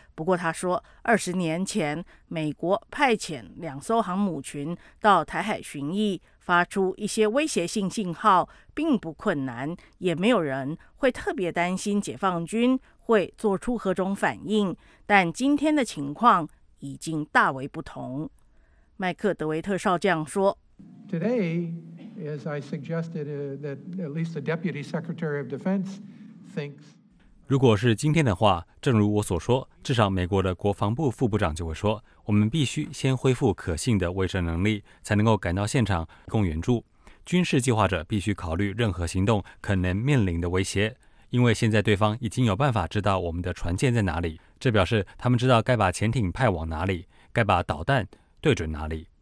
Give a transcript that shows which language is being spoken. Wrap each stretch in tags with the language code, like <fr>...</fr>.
<zh>不过他说，20年前美国派遣两艘航母群到台海巡弋，发出一些威胁性信号并不困难，也没有人会特别担心解放军会做出何种反应，但今天的情况已经大为不同。麦克德维特少将说，</zh> <en>Today as I suggested that at least the Deputy Secretary of Defense thinks，</en> <zh>如果是今天的话，正如我所说，至少美国的国防部副部长就会说，我们必须先恢复可信的卫生能力，才能够赶到现场提供援助。军事计划者必须考虑任何行动可能面临的威胁，因为现在对方已经有办法知道我们的船舰在哪里，这表示他们知道该把潜艇派往哪里，该把导弹对准哪里。</zh>